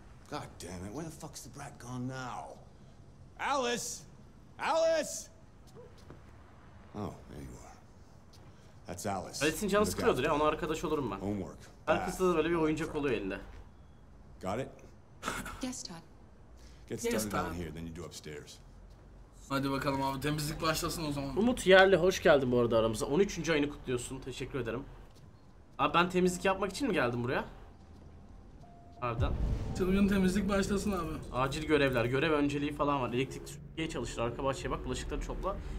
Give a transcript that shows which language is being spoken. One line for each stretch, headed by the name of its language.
English: God damn it. Where the fuck's the brat gone now? Alice! Alice! Oh, there you are. That's Alice.
Turkish: Alice'in canı sıkılıyordur ya. Ona arkadaş olurum ben. Homework. Her kızda böyle bir oyuncak oluyor elinde.
English: Got it? Yes, Todd. Get started down here, then you do upstairs.
Turkish: Hadi bakalım abi, temizlik başlasın o zaman. Umut Yerli, hoş geldin bu arada aramıza. 13. ayını kutluyorsun, teşekkür ederim. Abi ben temizlik yapmak için mi geldim buraya? Pardon. Çılgın temizlik başlasın abi. Acil görevler, görev önceliği falan var. Elektrik süpürgeye çalıştır, arka bahçeye bak, bulaşıkları çopla.